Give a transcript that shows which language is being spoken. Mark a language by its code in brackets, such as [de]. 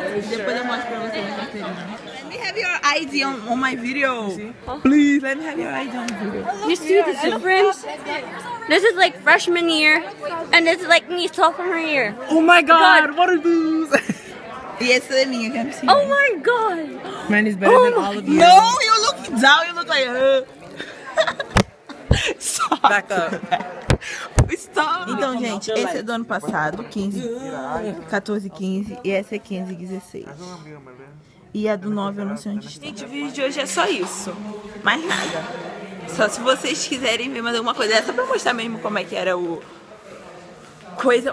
[pt] Depois eu mostro pra vocês as carteirinhas. [en] Let me have your ID on my video. Please, let me have your ID on my video. You see the difference? This is like freshman year. And this is like me sophomore year. Oh my god, what are these? [pt] E essa é minha, quero ver. [en] Oh my god. Man is better than all of you. No, you look down, you look like Stop. Back up. Stop. [pt] Então, gente, esse é do ano passado, 15, 14, 15, e essa é 15, 16. E a do 9, eu não sei onde está. Gente, o vídeo de hoje é só isso. Mais nada. Só se vocês quiserem ver mais alguma coisa. É só pra mostrar mesmo como é que era o... coisa.